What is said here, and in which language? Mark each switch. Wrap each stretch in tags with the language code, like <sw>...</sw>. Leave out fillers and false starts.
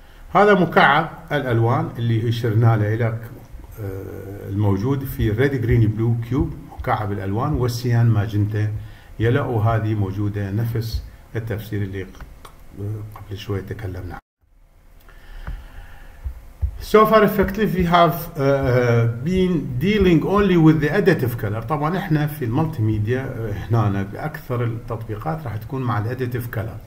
<ar>هذا مكعب الالوان اللي اشرنا له لك الموجود في</ar> <en>red green blue cube</en> <ar>مكعب الالوان والسيان ماجنتا يلو وهذه موجوده نفس التفسير اللي قبل شوي تكلمنا.</ar> <en>So far effectively we have been dealing only with the additive color.</en> <ar>طبعا احنا في المالتي ميديا هنا باكثر التطبيقات راح تكون مع الاديتيف كلر.</ar>